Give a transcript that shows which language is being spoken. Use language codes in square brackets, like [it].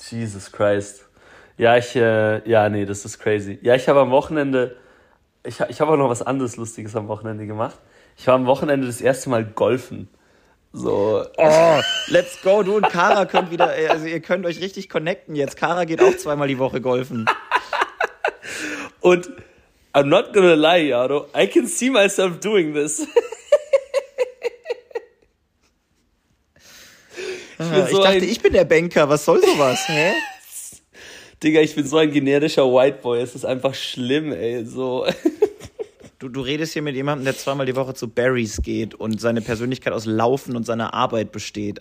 [de] Jesus Christ. Ja, das ist crazy. Ja, ich habe am Wochenende... Ich habe auch noch was anderes Lustiges am Wochenende gemacht. Ich war am Wochenende das erste Mal golfen. So, [en] let's go, [de] du und Kara könnt wieder, also ihr könnt euch richtig connecten jetzt. Kara geht auch 2x die Woche golfen. Und [en] I'm not gonna lie, Yaro, I can see myself doing this. [de] Ich bin der Banker, was soll sowas, hä? Digga, ich bin so ein generischer White Boy, es ist einfach schlimm, ey, so. Du redest hier mit jemandem, der 2x die Woche zu Barry's geht und seine Persönlichkeit aus Laufen und seiner Arbeit besteht.